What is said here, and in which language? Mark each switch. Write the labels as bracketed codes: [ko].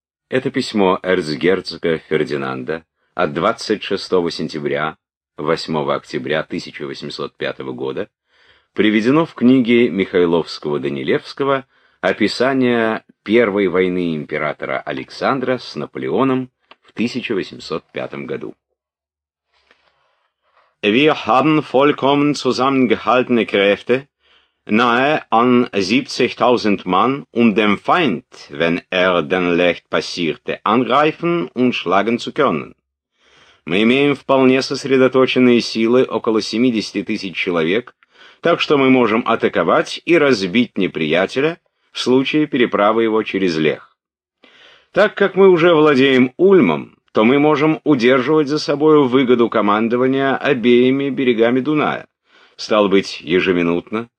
[ru] Это письмо эрцгерцога Фердинанда от 26 сентября 8 октября 1805 года приведено в книге Михайловского-Данилевского «Описание Первой войны императора Александра с Наполеоном в 1805 году». [de] Wir haben vollkommen zusammengehaltene Kräfte, nahe an 70.000 Mann, um den Feind, wenn den leicht passierte, angreifen und schlagen zu können. [ru] Мы имеем вполне сосредоточенные силы, около 70 тысяч человек, так что мы можем атаковать и разбить неприятеля в случае переправы его через Лех. Так как мы уже владеем Ульмом, то мы можем удерживать за собою выгоду командования обеими берегами Дуная. Стало быть, ежеминутно